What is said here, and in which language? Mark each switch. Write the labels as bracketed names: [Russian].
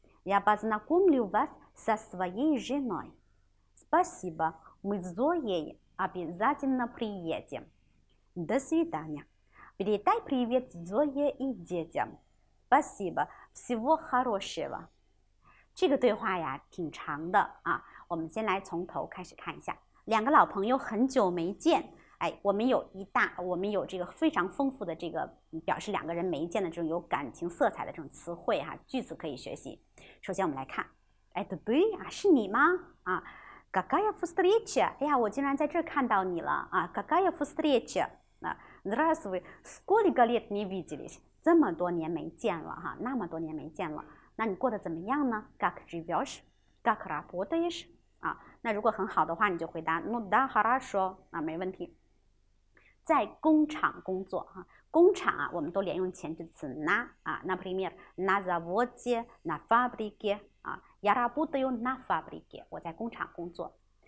[Russian] Я познакомлю вас со своей женой. Спасибо, мы с Зоей обязательно приедем. До свидания. Передай привет Зое и детям. Спасибо, всего хорошего. [Chinese] 这个对话呀，挺长的啊。我们先来从头开始看一下，两个老朋友很久没见，哎，我们有这个非常丰富的这个表示两个人没见的这种有感情色彩的这种词汇哈、啊，句子可以学习。首先我们来看，哎，对啊，是你吗？ [Russian] 啊 ，какая встреча？ [Chinese] 哎呀，我竟然在这儿看到你了啊 ， [Russian] какая встреча？啊 ，здравствуй， сколько лет не виделись？ [Chinese] 这么多年没见了哈、啊，那么多年没见了，那你过得怎么样呢 ？ [Russian] Как живешь？ Как работаешь？ [Chinese] 啊，那如果很好的话，你就回答 [Russian] Ну да хорошо， [Chinese] 啊，没问题。在工厂工作啊，工厂啊，我们都连用前置词 на 啊 ， [Russian] например на заводе на фабрике [Chinese] 啊 ， [Russian] я работаю на фабрике， [Chinese] 我在工厂工作。